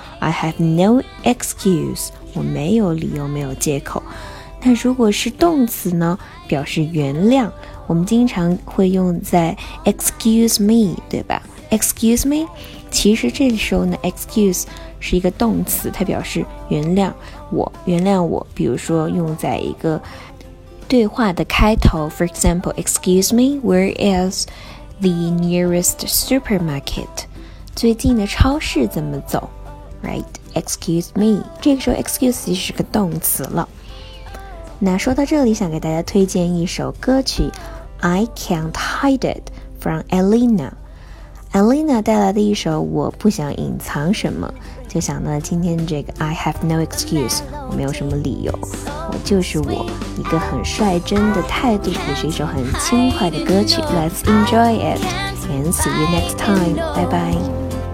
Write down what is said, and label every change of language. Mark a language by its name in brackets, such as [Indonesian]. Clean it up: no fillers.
[English] I have no excuse. [Chinese] 我没有理由，没有借口。那如果是动词呢，表示原谅。我们经常会用在 excuse me, 对吧？ [English] Excuse me? [Chinese] 其实这时候呢， excuse是一个动词，它表示原谅我，原谅我。比如说用在一个对话的开头， [English] For example, Excuse me, where is the nearest supermarket? [Chinese] 最近的超市怎么走？ [English] Right, Excuse me. [Chinese] 这个时候 excuse 是个动词了。那说到这里，想给大家推荐一首歌曲， I Can't Hide It from Elena。 Elena 带来的一首《我不想隐藏什么》，就想到今天这个 I have no excuse, 我没有什么理由，我就是我，一个很率真的态度，也是一首很轻快的歌曲。 [English] Let's enjoy it and see you next time. [Chinese] 拜拜。